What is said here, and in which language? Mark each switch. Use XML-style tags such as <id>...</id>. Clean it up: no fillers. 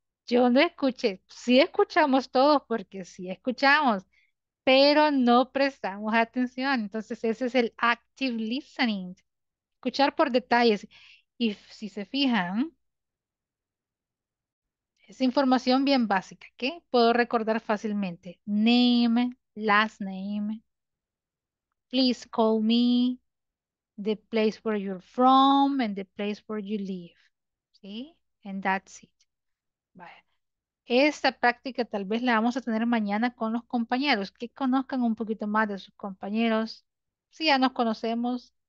<es>Yo no escuché, sí escuchamos todos porque sí escuchamos, pero no prestamos atención, entonces ese es el active listening, escuchar por detalles. Y si se fijan, es información bien básica, ¿ok? Puedo recordar fácilmente,</es> <en>name, last name, please call me, the place where you're from and the place where you live.</en> <es>¿Sí?</es> <en>And that's it.</en> <es>Vaya. Esta práctica tal vez la vamos a tener mañana con los compañeros, que conozcan un poquito más de sus compañeros. Si ya nos conocemos,</es>